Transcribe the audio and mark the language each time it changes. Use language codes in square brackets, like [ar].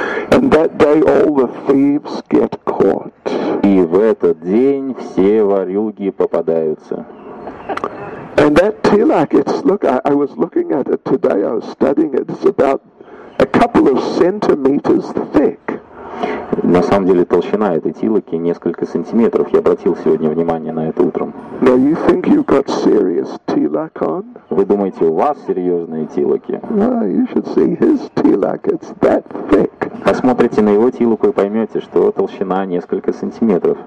[en] And that day all the thieves get caught. [ru] И в этот день все ворюги попадаются. [en] And that tilak, it's look, I was looking at it today, I was studying it, it's about a couple of centimeters thick. [ru] На самом деле толщина этой тилаки несколько сантиметров. Я обратил сегодня внимание на это утром. [en] Now you think you've got serious tilak on? [ru] Вы думаете, у вас серьезные тилаки? [en] No, you should see his tilak. It's that thick. [ru] Посмотрите на его тилаку и поймете, что толщина несколько сантиметров.